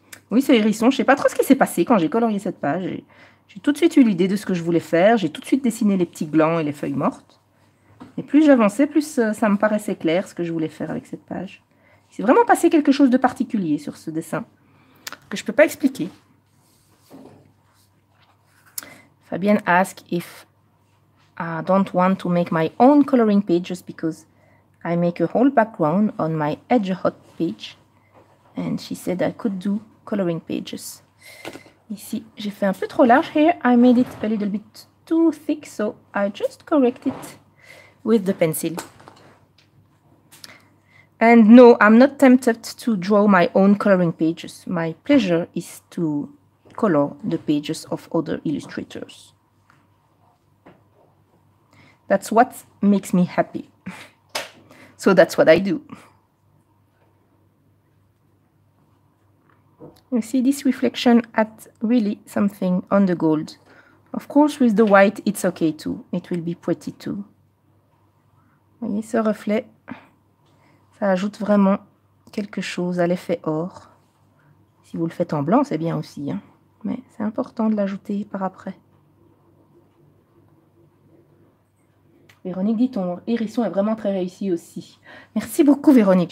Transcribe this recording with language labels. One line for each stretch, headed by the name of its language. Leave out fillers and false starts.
French: Oui, c'est hérisson. Je sais pas trop ce qui s'est passé quand j'ai colorié cette page. J'ai tout de suite eu l'idée de ce que je voulais faire. J'ai tout de suite dessiné les petits glands et les feuilles mortes. Et plus j'avançais, plus ça me paraissait clair ce que je voulais faire avec cette page. Il s'est vraiment passé quelque chose de particulier sur ce dessin que je peux pas expliquer.
English: Fabienne asks if I don't want to make my own coloring page just because I make a whole background on my Edge Hot page. And she said I could do coloring pages.
French: Ici, j'ai fait un peu trop large.
English: Here, I made it a little bit too thick, so I just correct it with the pencil. And no, I'm not tempted to draw my own coloring pages. My pleasure is to color the pages of other illustrators. That's what makes me happy. So that's what I do. You see, this reflection adds really something on the gold. Of course, with the white, it's okay too. It will be pretty too.
French: Vous voyez ce reflet? Ça ajoute vraiment quelque chose à l'effet or. Si vous le faites en blanc, c'est bien aussi. Hein? Mais c'est important de l'ajouter par après. Véronique dit, ton hérisson est vraiment très réussi aussi. Merci beaucoup, Véronique.